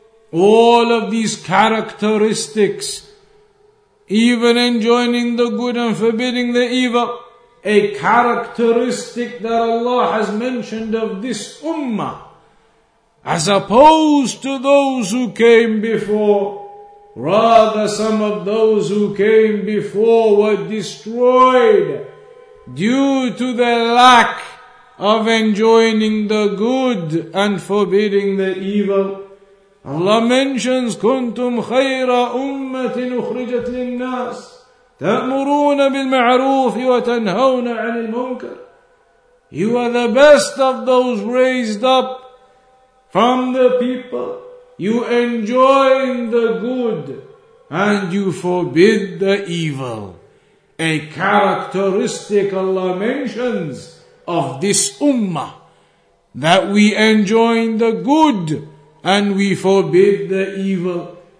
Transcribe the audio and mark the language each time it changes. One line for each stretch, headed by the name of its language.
English: All of these characteristics, even enjoining the good and forbidding the evil, a characteristic that Allah has mentioned of this ummah, as opposed to those who came before, rather some of those who came before were destroyed due to the lack of enjoining the good and forbidding the evil. Allah mentions,
Arabic: كُنْتُمْ خَيْرَ أُمَّةٍ أُخْرِجَتْ لِلنَّاسِ تأمرون بالمعروف وتنهون عن المنكر.
English: You are the best of those raised up from the people. You enjoin the good and you forbid the evil. A characteristic Allah mentions of this ummah, that we enjoin the good and we forbid the evil.